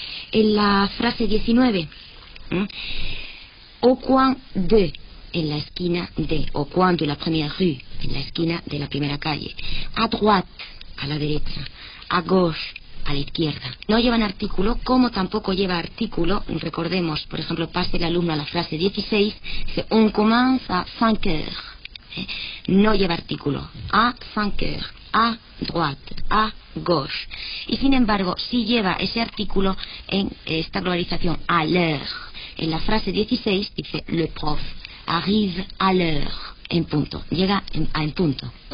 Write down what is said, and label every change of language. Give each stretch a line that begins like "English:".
Spanish: En la frase 19, au coin de, en la esquina de,
French: au coin de la première rue,
Spanish: en la esquina de la primera calle,
French: à droite,
Spanish: a la derecha,
French: à gauche,
Spanish: a la izquierda. No llevan artículo, como tampoco lleva artículo, recordemos, por ejemplo, pase el alumno a la frase 16, dice,
French: on commence à 5 heures.
Spanish: No lleva artículo.
French: A cinq heures, a droite, a gauche.
Spanish: Y sin embargo, sí lleva ese artículo en esta globalización,
French: à l'heure.
Spanish: En la frase 16 dice,
French: le prof arrive à l'heure,
Spanish: en punto. Llega en punto.